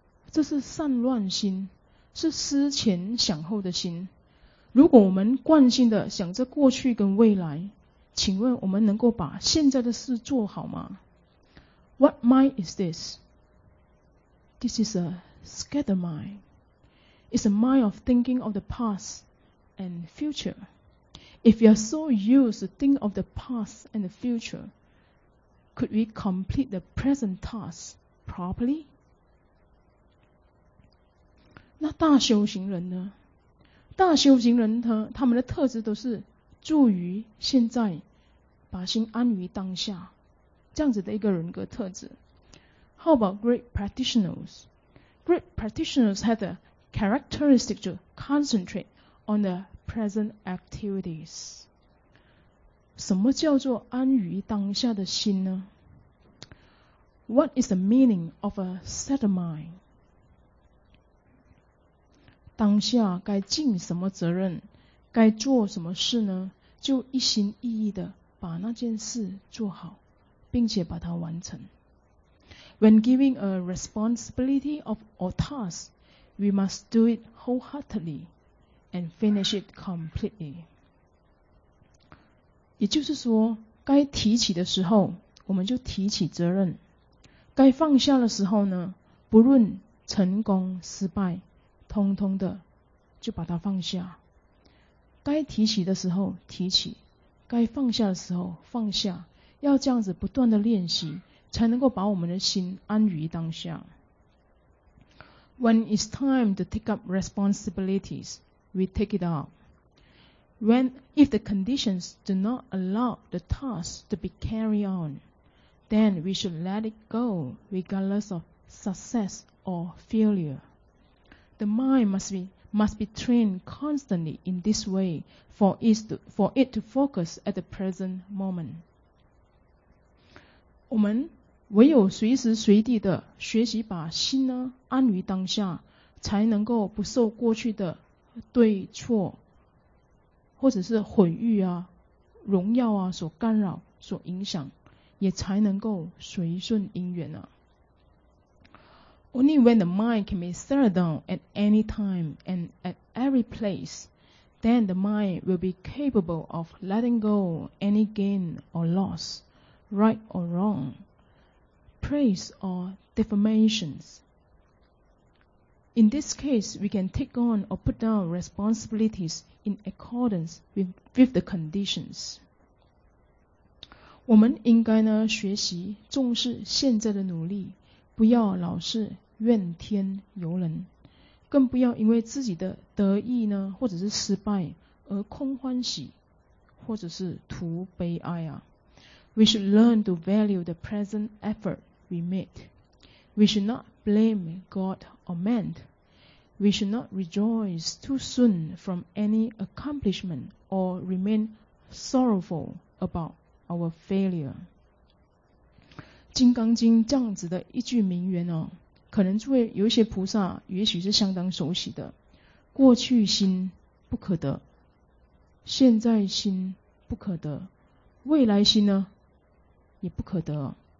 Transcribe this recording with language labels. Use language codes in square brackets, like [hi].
[zh] 这是散乱心，是思前想后的心。如果我们惯性的想着过去跟未来，请问我们能够把现在的事做好吗？ [en] What mind is this? This is a scattered mind. It's a mind of thinking of the past and future. If you are so used to think of the past and the future, could we complete the present task properly? [zh] 那大修行人呢？大修行人他们的特质都是住于现在，把心安于当下，这样子的一个人格特质。 [en] How about great practitioners? Great practitioners have the characteristic to concentrate on the present activities. [zh] 什么叫做安于当下的心呢？ [en] What is the meaning of a settled mind? [zh] 当下该尽什么责任，该做什么事呢？就一心一意的把那件事做好，并且把它完成。 [en] When giving a responsibility of a task, we must do it wholeheartedly and finish it completely. [zh] 也就是说，该提起的时候，我们就提起责任；该放下的时候呢，不论成功失败。通通的就把它放下，该提起的时候提起，该放下的时候放下，要这样子不断的练习，才能够把我们的心安于当下。 [en] When it's time to take up responsibilities, we take it up. When if the conditions do not allow the task to be carried on, then we should let it go regardless of success or failure. The mind must be trained constantly in this way for it to focus at the present moment. [zh] 我们唯有随时随地的学习把心呢安于当下，才能够不受过去的对错，或者是毁誉啊、荣耀啊所干扰、所影响，也才能够随顺因缘啊。 [en] Only when the mind can be settled down at any time and at every place, then the mind will be capable of letting go any gain or loss, right or wrong, praise or defamations. In this case, we can take on or put down responsibilities in accordance with the conditions. [zh] 我们应该呢学习重视现在的努力，不要老是怨天尤人，更不要因为自己的得意呢，或者是失败而空欢喜，或者是徒悲哀啊。 [en] We should learn to value the present effort we made. We should not blame God or man. We should not rejoice too soon from any accomplishment or remain sorrowful about our failure. [zh] 金刚经这样子的一句名言哦。可能作为有一些菩萨也许是相当熟悉的，过去心不可得，现在心不可得，未来心呢也不可得。